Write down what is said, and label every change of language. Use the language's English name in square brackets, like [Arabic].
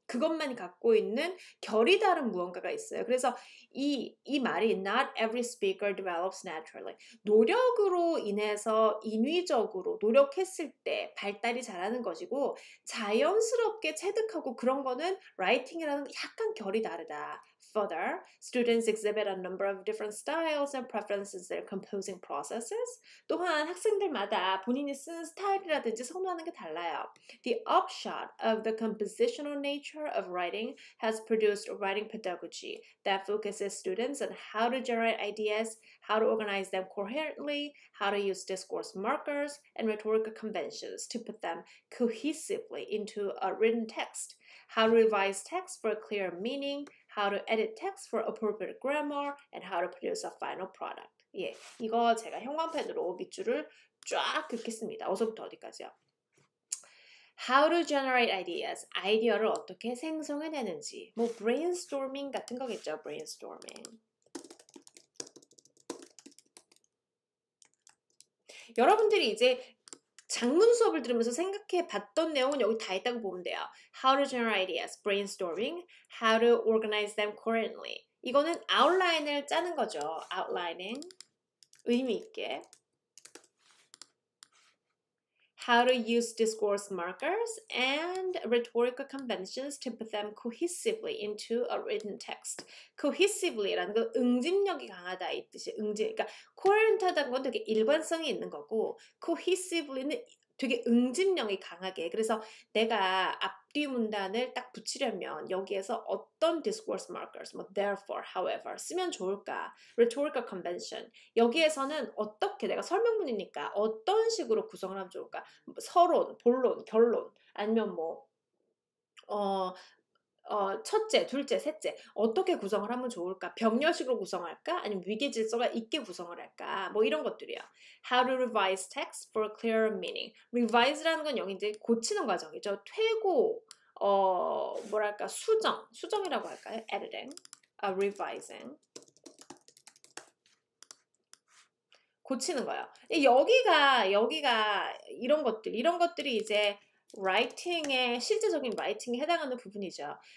[Korean] 그것만 갖고 있는 결이 다른 무언가가 있어요. 그래서 이 말이 [English] not every speaker develops naturally. [Korean] 노력으로 인해서 인위적으로 노력했을 때 발달이 잘하는 것이고 자연스럽게 체득하고 그런 거는 라이팅이라는 약간 결이 다르다. [English] Further, students exhibit a number of different styles and preferences in their composing processes. [Korean] 또한 학생들마다 본인이 쓰는 스타일이라든지 선호하는 게 달라요. [English] The upshot of the compositional nature of writing has produced writing pedagogy that focuses students on how to generate ideas, how to organize them coherently, how to use discourse markers and rhetorical conventions to put them cohesively into a written text, how to revise text for a clear meaning, how to edit text for appropriate grammar, and how to produce a final product. [Korean] 예, 이거 제가 형광펜으로 밑줄을 쫙 긋겠습니다. 어디서부터 어디까지요? [English] How to generate ideas. [Korean] 아이디어를 어떻게 생성해내는지. 뭐 브레인스토밍 같은 거겠죠, 브레인스토밍. 여러분들이 이제 작문 수업을 들으면서 생각해 봤던 내용은 여기 다 있다고 보면 돼요. [English] How to generate ideas, brainstorming, how to organize them coherently. [Korean] 이거는 아웃라인을 짜는 거죠. Outlining. 의미 있게. [English] How to use discourse markers and rhetorical conventions to put them cohesively into a written text. [Korean] Cohesively라는 건 응집력이 강하다 이 뜻이에요. 응집, 그러니까 coherent하다는 건 되게 일관성이 있는 거고, cohesively는 되게 응집력이 강하게. 그래서 내가 앞뒤 문단을 딱 붙이려면 여기에서 어떤 discourse markers, 뭐 therefore, however 쓰면 좋을까? [English] rhetorical convention. [Korean] 여기에서는 어떻게 내가 설명문이니까 어떤 식으로 구성을 하면 좋을까? 서론, 본론, 결론 아니면 뭐 첫째, 둘째, 셋째 어떻게 구성을 하면 좋을까? 병렬식으로 구성할까? 아니면 위계질서가 있게 구성을 할까? 뭐 이런 것들이야. [English] How to revise text for a clearer meaning. [Korean] Revise라는 건 여기 이제 고치는 과정이죠. 퇴고, 뭐랄까, 수정이라고 할까요? [English] Editing, revising. [Korean] 고치는 거예요. 여기가 이런 것들이 이제 라이팅의 실제적인 라이팅에 해당하는 부분이죠.